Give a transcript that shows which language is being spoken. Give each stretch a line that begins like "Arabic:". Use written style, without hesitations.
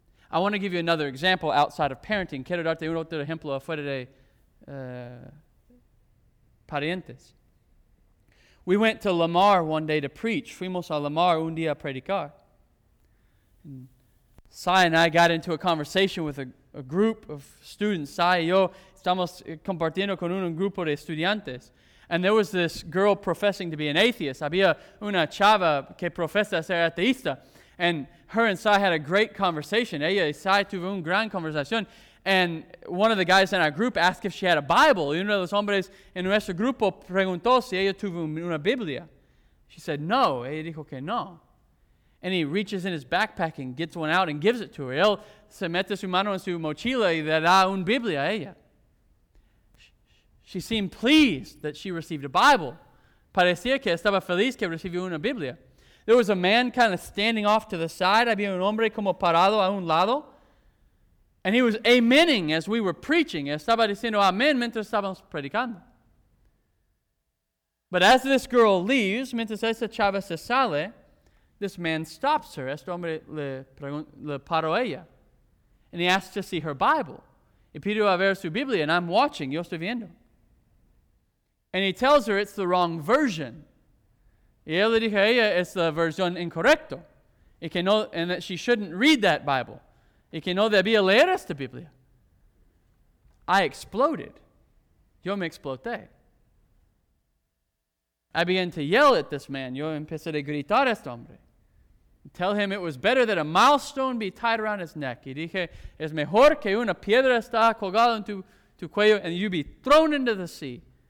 English: I want to give you another example outside of parenting.
Spanish: Quiero darte un otro ejemplo afuera de parientes.
English: We went to Lamar one day to preach.
Spanish: Fuimos a Lamar un día a predicar.
English: Sai and I got into a conversation with a group of students.
Spanish: Sai y yo estamos compartiendo con un grupo de estudiantes.
English: And there was this girl professing to be an atheist.
Spanish: Había una chava que profesa ser ateísta.
English: And her and Sai had a great conversation.
Spanish: Ella y Sai tuvo una gran conversación.
English: And one of the guys in our group asked if she had a Bible.
Spanish: Y uno de los hombres en nuestro grupo preguntó si ella tuvo una Biblia.
English: She said, no.
Spanish: Ella dijo que no.
English: And he reaches in his backpack and gets one out and gives it to her.
Spanish: Él se mete su mano en su mochila y le da una Biblia a ella.
English: She seemed pleased that she received a Bible.
Spanish: Parecía que estaba feliz que recibió una Biblia.
English: There was a man kind of standing off to the side.
Spanish: Había un hombre como parado a un lado.
English: And he was amening as we were preaching.
Spanish: Estaba diciendo amén mientras estábamos predicando.
English: But as this girl leaves,
Spanish: mientras esa chava se sale,
English: this man stops her.
Spanish: Este hombre le paró ella.
English: And he asks to see her Bible.
Spanish: Y pidió a ver su Biblia.
English: And I'm watching.
Spanish: Yo estoy viendo.
English: And he tells her it's the wrong version.
Spanish: Y él le dijo a ella, es la versión incorrecta. Y que no,
English: and that she shouldn't read that Bible.
Spanish: Y que no debía leer esta Biblia.
English: I exploded.
Spanish: Yo me exploté.
English: I began to yell at this man.
Spanish: Yo empecé a gritar a este hombre.
English: Tell him it was better that a milestone be tied around his neck.
Spanish: Y dije, es mejor que una piedra está colgada en tu cuello
English: and you be thrown into the sea.